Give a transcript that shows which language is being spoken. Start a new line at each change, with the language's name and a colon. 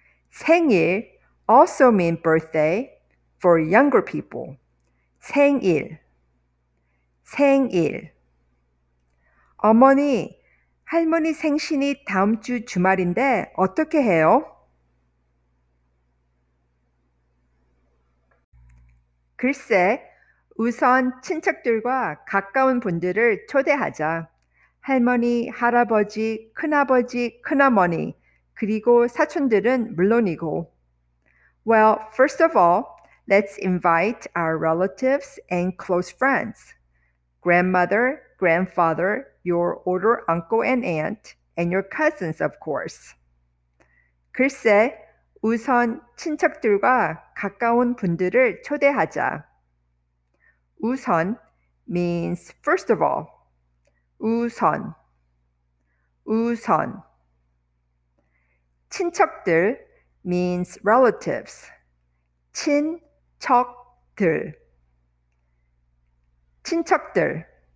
English: 생일 also mean birthday for younger people. 생일,
Korean: 생일. 어머니, 할머니 생신이 다음 주 주말인데 어떻게 해요? 글쎄, 우선 친척들과 가까운 분들을 초대하자. 할머니, 할아버지, 큰아버지, 큰어머니, 그리고 사촌들은 물론이고.
English: Well, first of all, let's invite our relatives and close friends. Grandmother, grandfather, your older uncle and aunt, and your cousins, of course.
Korean: 글쎄, 우선 친척들과 가까운 분들을 초대하자.
English: 우선 means first of all. 우선, 우선. 친척들 means relatives. 친척들, 친척들.